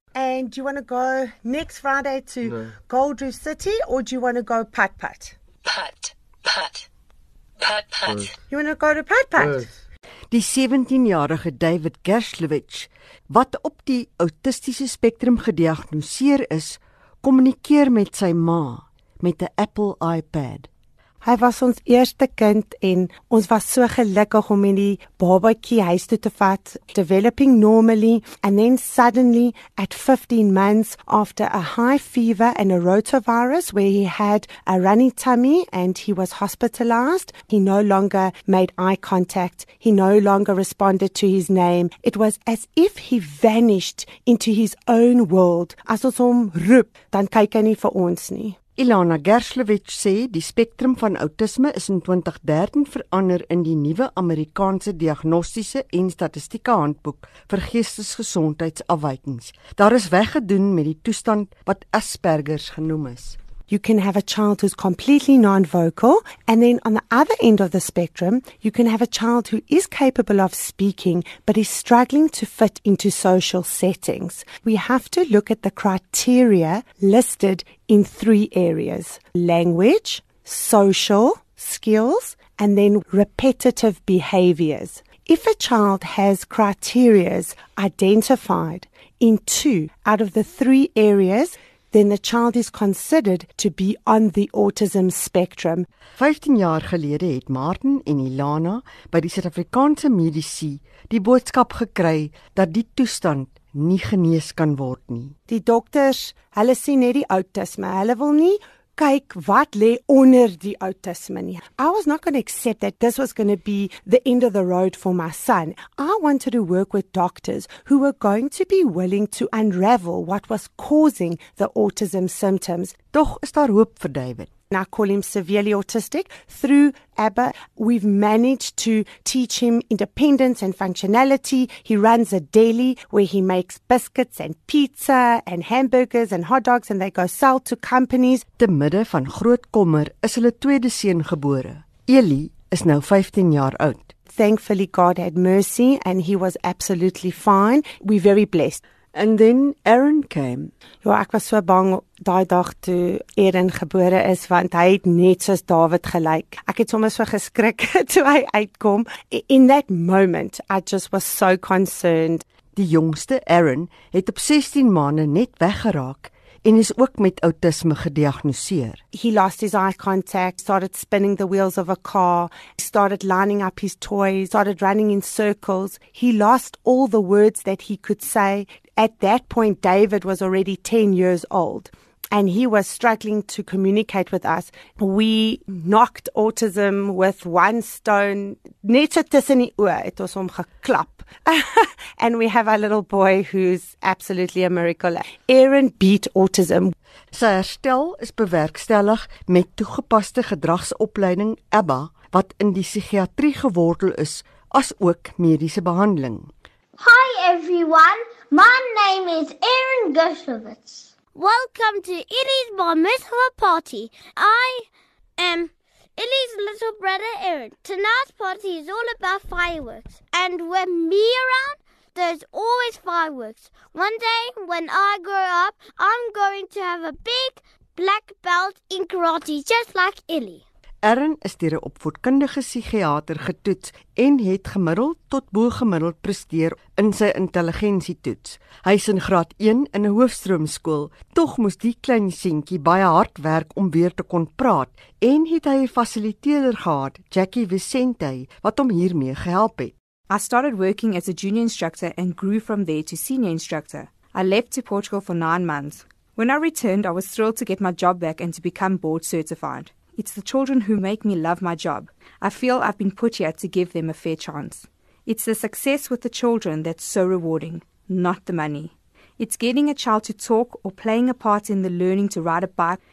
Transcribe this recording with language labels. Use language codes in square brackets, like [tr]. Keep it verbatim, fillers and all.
[en] And do you want to go next Friday to no. Goldu City, or do you want to go Putt Putt? Putt, Putt, Putt Putt. Right. You want to go to Putt Putt? Right. [af] Die sewentien-jarige David Gershowitz, wat op die autistiese spektrum gediagnoseer is, kommunikeer met sy ma met 'n Apple iPad. Hy was ons eerste kind en ons was so gelukkig om in die babatjie huis toe te vat, [en] developing normally, and then suddenly at fifteen months after a high fever and a rotavirus where he had a runny tummy and he was hospitalized, he no longer made eye contact, he no longer responded to his name. It was as if he vanished into his own world. [af] As ons hom roep, dan kyk hy nie vir ons nie. Ilana Gershowitz sê die spektrum van autisme is in twintig dertien verander in die nuwe Amerikaanse diagnostiese en statistieke handboek vir geestesgesondheidsafwykings. Daar is weggedoen met die toestand wat Asperger's genoem is. [en] You can have a child who's completely non-vocal, and then on the other end of the spectrum, you can have a child who is capable of speaking but is struggling to fit into social settings. We have to look at the criteria listed in three areas: language, social skills, and then repetitive behaviors. If a child has criteria identified in two out of the three areas, then the child is considered to be on the autism spectrum. [af] vyftien jaar gelede het Martin en Ilana by die Suid-Afrikaanse mediese die boodskap gekry dat die toestand nie genees kan word nie. Die dokters, hulle sien net die autisme, hulle wil nie kyk wat lê onder die autisme nie. [en] I was not going to accept that this was going to be the end of the road for my son. I wanted to work with doctors who were going to be willing to unravel what was causing the autism symptoms. [af] Tog is daar hoop vir David. [en] And I call him severely autistic. Through ABBA, we've managed to teach him independence and functionality. He runs a deli where he makes biscuits and pizza and hamburgers and hot dogs, and they go sell to companies. [af] Te midde van groot kommer is hulle tweede seun gebore. Eli is nou vyftien jaar oud. [en] Thankfully, God had mercy and he was absolutely fine. We're very blessed. And then Aaron came. [af] Ja, ek was so bang daai dag toe Aaron gebore is, want hy het net soos David gelyk. Ek het sommer so geskrik toe hy uitkom. [en] In that moment, I just was so concerned. [af] Die jongste, Aaron, het op sestien maande net weggeraak en is ook met autisme gediagnoseer. [en] He lost his eye contact, started spinning the wheels of a car, started lining up his toys, started running in circles. He lost all the words that he could say. At that point, David was already ten years old, and he was struggling to communicate with us. We knocked autism with one stone. [af] Net so tussen die oë het ons hom geklap. [en] And we have our little boy who's absolutely a miracle. Aaron beat autism. [af] Sy herstel is bewerkstellig met toegepaste gedragsopleiding ABBA, wat in die psigiatrie gewortel is, as ook mediese behandeling. [en] Hi everyone, my name is Aaron Gershowitz. Welcome to Illy's Bar Mitzvah Party. I am Illy's little brother Aaron. Tonight's party is all about fireworks. And with me around, there's always fireworks. One day when I grow up, I'm going to have a big black belt in karate just like Illy. [af] Aaron is deur 'n opvoedkundige psigiater getoets en het gemiddeld tot bo-gemiddeld presteer in sy intelligensietoets. Hy is in graad een in 'n hoofstroomskool, tog moes die klein seentjie baie hard werk om weer te kon praat en het hy 'n fasiliteerder gehad, Jackie Vicente, wat hom hiermee gehelp het. [en] I started working as a junior instructor and grew from there to senior instructor. I left to Portugal for nine months. When I returned, I was thrilled to get my job back and to become board certified. It's the children who make me love my job. I feel I've been put here to give them a fair chance. It's the success with the children that's so rewarding, not the money. It's getting a child to talk or playing a part in the learning to ride a bike